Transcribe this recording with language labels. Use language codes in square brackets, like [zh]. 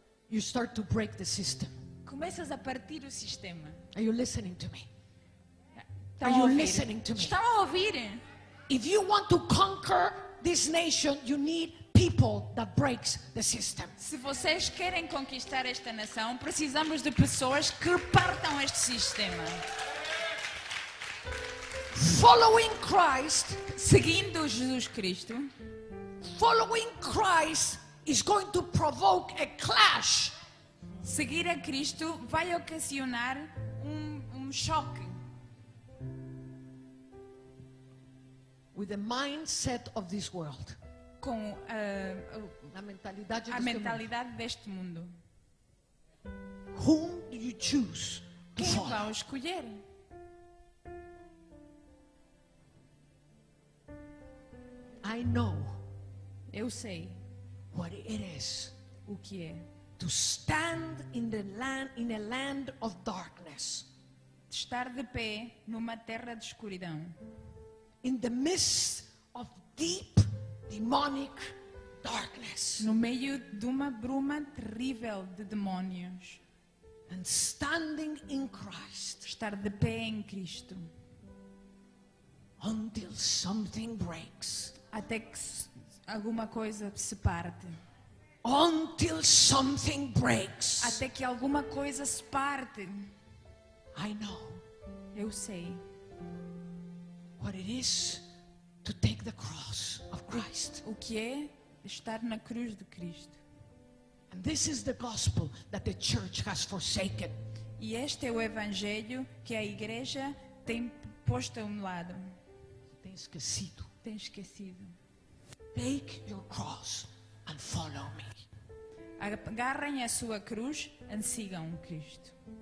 [en] You start to break the system. [pt] Começas a partir o sistema. [en] Are you listening to me? [pt] Estão [en] Are you listening to me? [pt] Estão a ouvir? [en] If you want to conquer this nation, you need people that breaks the system. [pt] Se vocês querem conquistar esta nação, precisamos de pessoas que partam este sistema. [en] Following Christ, [pt] seguindo Jesus Cristo, [en] following Christ is going to provoke a clash. [pt] Seguir a Cristo vai ocasionar um choque. [en] With the mindset of this world. [pt] Com a mentalidade deste mundo. [en] Whom do you choose to follow? [pt] Quem vão escolher? [en] I know. [pt] Eu sei. [en] What it is. [pt] O que é? [en] To stand in the land, in a land of darkness. [pt] De estar de pé numa terra de escuridão. [en] In the midst of deep demonic darkness. [pt] No meio de uma bruma terrível de demônios. [en] And standing in Christ. [pt] Estar de pé em Cristo. [en] Until something breaks. [pt] Até que alguma coisa se parte. [en] Until something breaks. [pt] Até que alguma coisa se parte. [en] I know. [pt] Eu sei. [en] What it is to take the cross of Christ. [pt] O que é estar na cruz de Cristo. [en] And this is the gospel that the church has forsaken. [pt] E este é o evangelho que a igreja tem posto a um lado. tem esquecido. Tem esquecido. [en] Take your cross and follow me. [pt] Agarrem a sua cruz e sigam Cristo.